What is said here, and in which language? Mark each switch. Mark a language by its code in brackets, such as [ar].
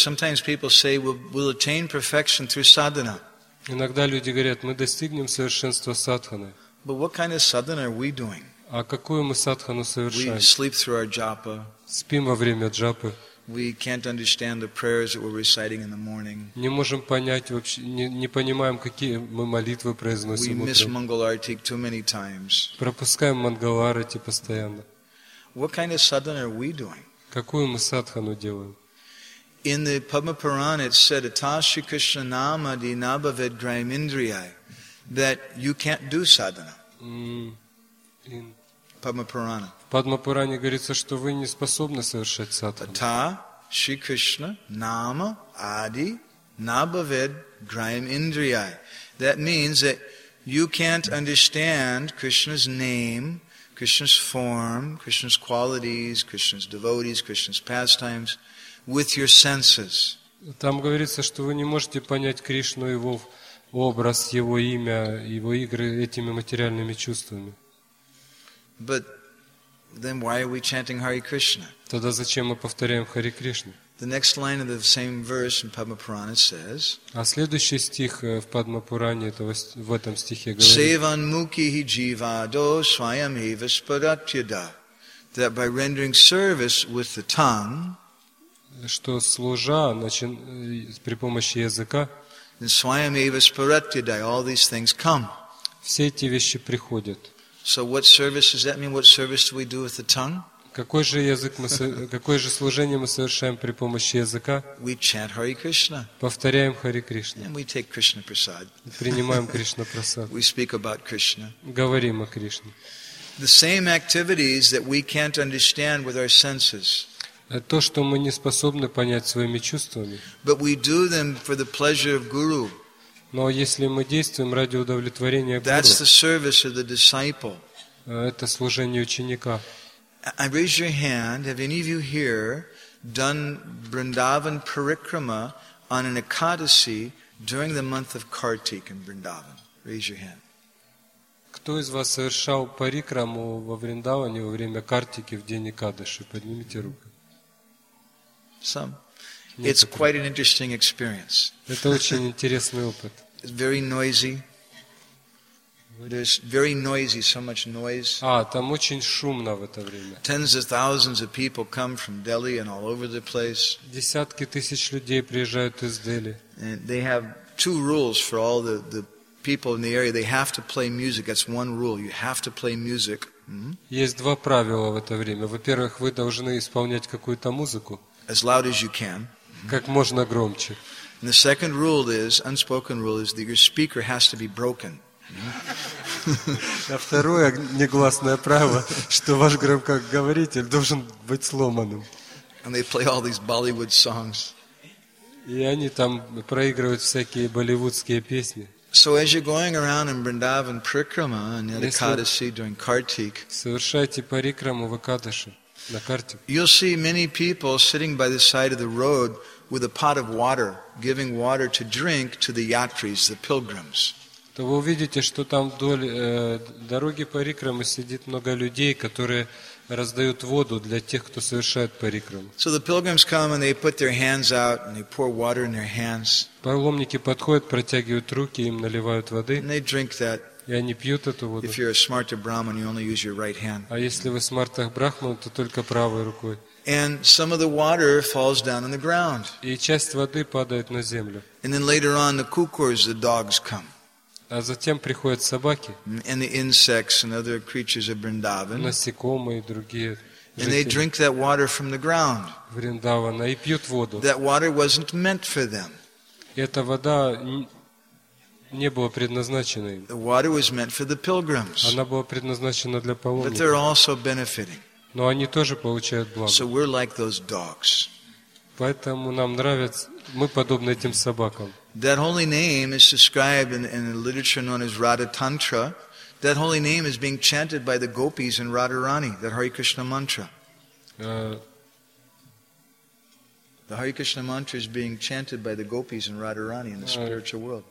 [en] Sometimes people say we'll attain perfection through sadhana. [ru] Иногда люди говорят, мы достигнем совершенства садханы. [en] But what kind of sadhana are we doing? [ru] А какую мы садхану совершаем? [en] We sleep through our japa. [ru] Спим во время джапы. [en] We can't understand the prayers that we're reciting in the morning. [ru] Не можем понять вообще, не понимаем, какие мы молитвы произносим утром. [en] We miss Mangalarti too many times. [ru] Пропускаем Мангаларти постоянно. [en] What kind of sadhana are we doing? [ru] Какую мы садхану делаем? [en] In the Padma Purana, it said, [sa] "Atashri Krishna Nama Dinabhaved Graham Indriyai," [en] that you can't do sadhana. Padma Purana. [ru] В Падмапуране говорится, что вы не способны совершать садхану. [sa] Ата, Шри Кришна, Нама, Ади, Набавед, Грайм, Индрияй. [en] That means that You can't understand Krishna's name, Krishna's form, Krishna's qualities, Krishna's devotees, Krishna's pastimes with your senses. [ru] Там говорится, что вы не можете понять Кришну, его образ, его имя, его игры этими материальными чувствами. [en] But then why are we chanting Hare Krishna? [ru] Тогда зачем мы повторяем Харе Кришну? [en] The next line of the same verse in Padma Purana says. [ru] А следующий стих в Падма Пуране этого в этом стихе говорит. [sa] Севан муки хи джива до свайам хи виспаратьяда. [en] That by rendering service with the tongue. [ru] Что служа при помощи языка. [en] Then [sa] свайам хи виспаратьяда, [en] all these things come. [ru] Все эти вещи приходят. [en] So what service does that mean? What service do we do with the tongue? [ru] Какое же служение мы совершаем при помощи языка? [en] We chant Hare Krishna. [ru] Повторяем Харе Кришна. [en] And we take Krishna prasad. [ru] Принимаем Кришна прасад. [en] We speak about Krishna. [ru] Говорим о Кришне. [en] The same activities that we can't understand with our senses. [ru] То, что мы не способны понять своими чувствами. [en] But we do them for the pleasure of Guru. [ru] Но если мы действуем ради удовлетворения Гуру. [en] That's the service of the disciple. [ru] Это служение ученика. [en] I raise your hand. Have any of you here done Vrindavan Parikrama on an Ekadasi during the month of Kartik in Vrindavan? Raise your hand. [ru] Кто из вас совершал парикраму во Вриндаване во время Картики в день Экадаши? Поднимите руку. [en] Some. It's quite an interesting experience. [ru] Это очень интересный опыт. [en] It's very noisy. There's very noisy, so much noise. [ru] Там очень шумно в это время. [en] Tens of thousands of people come from Delhi and all over the place. [ru] Десятки тысяч людей приезжают из Дели. [en] And they have two rules for all the people in the area. They have to play music. That's one rule. You have to play music. [ru] Есть два правила в это время. Во-первых, вы должны исполнять какую-то музыку. [en] As loud as you can. [ru] Как можно громче. [en] And the second rule is, unspoken rule is that your speaker has to be broken. [ru] А второе негласное правило, что ваш громкоговоритель должен быть сломанным. [en] And they play all these Bollywood songs. [ru] И они там проигрывают всякие болливудские песни. [en] So as you're going around in Vrindavan Parikrama and in Ekadasi during Kartik. [ru] Совершайте парикраму в Экадаши на Картик. [en] You'll see many people sitting by the side of the road with a pot of water, giving water to drink to the yatris, the pilgrims. [ru] То вы увидите, что там вдоль дороги парикрамы сидит много людей, которые раздают воду для тех, кто совершает парикраму. [en] So the pilgrims come and they put their hands out and they pour water in their hands. [ru] Паломники подходят, протягивают руки, им наливают воды. [en] And they drink that. [ru] И они пьют эту воду. [en] If you're a smart Brahman, you only use your right hand. [ru] А если вы смартах брахман, то только правой рукой. [en] And some of the water falls down on the ground. [ru] И часть воды падает на землю. [en] And then later on, the kukurs, the dogs come. [ru] А затем приходят собаки. [en] And the insects and other creatures of Vrindavan. [ru] Насекомые и другие. [en] And they drink that water from the ground. [ru] Вриндавана и пьют воду. [en] That water wasn't meant for them. [ru] Эта вода не была предназначена им. [en] The water was meant for the pilgrims. [ru] Она была предназначена для паломников. [en] But they're also benefiting. [ru] Но они тоже получают благо. [en] So we're like those dogs. [ru] Поэтому нам нравится, мы подобны этим собакам. [en] That holy name is described in the literature known as Radha Tantra. That holy name is being chanted by the gopis in Radharani, that Hare Krishna mantra. The Hare Krishna mantra is being chanted by the gopis in Radharani in the spiritual world.